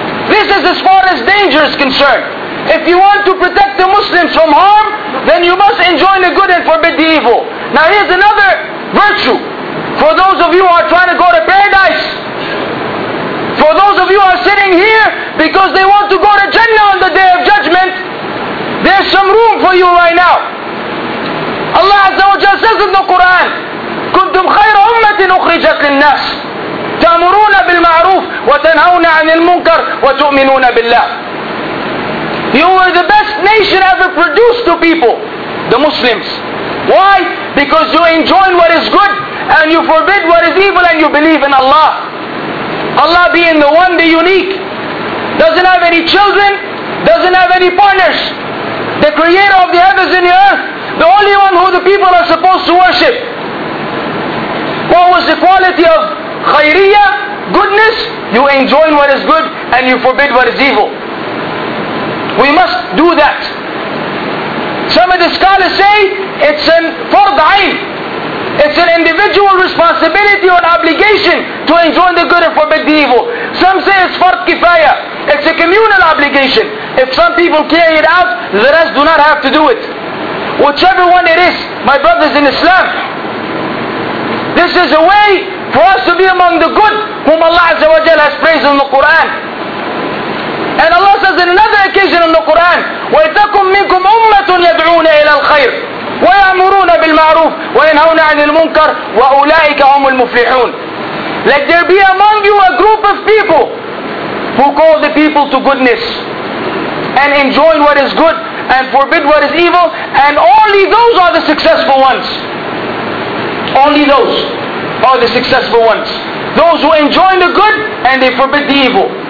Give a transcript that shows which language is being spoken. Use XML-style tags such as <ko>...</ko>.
<en>This is as far as danger is concerned. If you want to protect the Muslims from harm, then you must enjoin the good and forbid the evil. Now here's another virtue. For those of you who are trying to go to paradise, for those of you who are sitting here because they want to go to Jannah on the Day of Judgment, there's some room for you right now. Allah Azza wa Jalla says in the Quran,</en> <ar>كنتم خير أمة أخرجت للناس تأمرون بالمعروف وتنهون عن المنكر وتؤمنون بالله.</ar> <en>You were the best nation ever produced to people, the Muslims. Why? Because you enjoin what is good and you forbid what is evil and you believe in Allah. Allah being the one, the unique, doesn't have any children, doesn't have any partners. The creator of the heavens and the earth, the only one who the people are supposed to worship. What was the quality of khayriya, goodness? You enjoin what is good and you forbid what is evil. We must do that. Some of the scholars say it's an fard ayn. It's an individual responsibility or obligation to enjoin the good and forbid the evil. Some say it's fard kifaya. It's a community. communal obligation. If some people carry it out, the rest do not have to do it. Whichever one it is, my brothers in Islam, this is a way for us to be among the good whom Allah Azza wa Jalla has praised in the Quran. And Allah says in another occasion in the Quran,</en> <ar>وَيْتَكُمْ مِنْكُمْ أُمَّةٌ يَدْعُونَ إِلَى الْخَيْرِ وَيَأْمُرُونَ بِالْمَعْرُوفِ وَيَنْهَوْنَ عَنِ الْمُنْكَرِ وَأُولَٰئِكَ هُمُ الْمُفْلِحُونَ.</ar> <en>Let there be among you a group of people who call the people to goodness and enjoin what is good and forbid what is evil, and only those are the successful ones. Only those are the successful ones. Those who enjoin the good and they forbid the evil.</en>